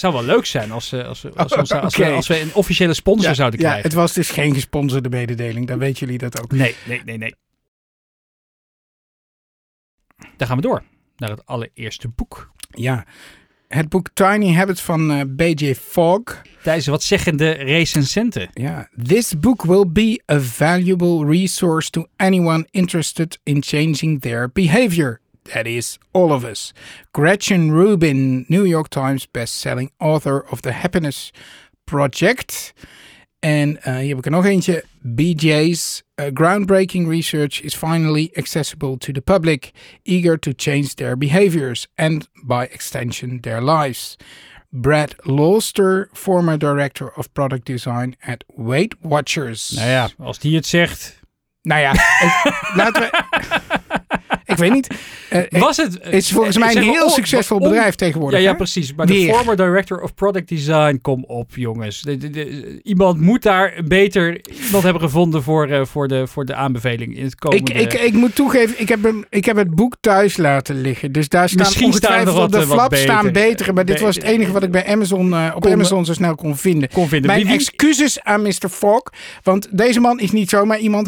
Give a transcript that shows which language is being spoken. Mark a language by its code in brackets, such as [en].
[nl] zou wel leuk zijn als we een officiële sponsor zouden krijgen. Ja, het was dus geen gesponsorde mededeling. Dan weten jullie dat ook. Nee. Dan gaan we door naar het allereerste boek. Ja, het boek Tiny Habits van B.J. Fogg. Thijs, wat zeggen de recensenten? [en] Ja, this book will be a valuable resource to anyone interested in changing their behavior. That is, all of us. Gretchen Rubin, New York Times bestselling author of The Happiness Project. [nl] En hier heb ik er nog eentje. [en] BJ's groundbreaking research is finally accessible to the public, eager to change their behaviors and, by extension, their lives. Brad Loster, former director of product design at Weight Watchers. [nl] Nou ja, als die het zegt. Nou ja, laten we. Ik weet niet. Was het? Het is volgens mij een heel succesvol bedrijf tegenwoordig. Ja, precies. Maar de former director of product design, kom op jongens. Iemand moet daar beter iemand hebben gevonden voor de aanbeveling in het komende. Ik moet toegeven, ik heb het boek thuis laten liggen. Dus daar staan misschien ongetwijfeld staan op de flap beter. Staan betere. Maar dit was het enige wat ik bij Amazon Amazon zo snel kon vinden. Mijn excuses aan Mr. Fogg. Want deze man is niet zomaar iemand.